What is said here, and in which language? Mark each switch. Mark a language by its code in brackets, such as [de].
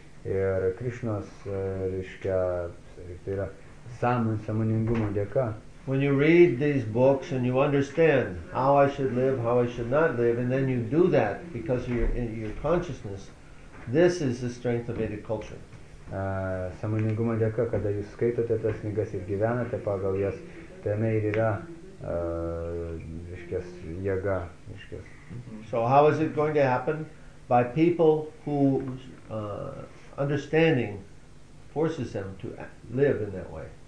[lt] Ir Krišnos, reiškia, tai yra sąmoningumo dėka. [en] When you read these books and you understand how I should live, how I should not live, and then you do that because of your consciousness, this is the strength of Vedic culture. [lt] Sąmoningumo dėka, kada jūs skaitote tas knygas ir gyvenate pagal jas, tame ir yra reiškia, jėga. Reiškia. [en] So how is it going to happen? By people who understanding forces them to live in that way.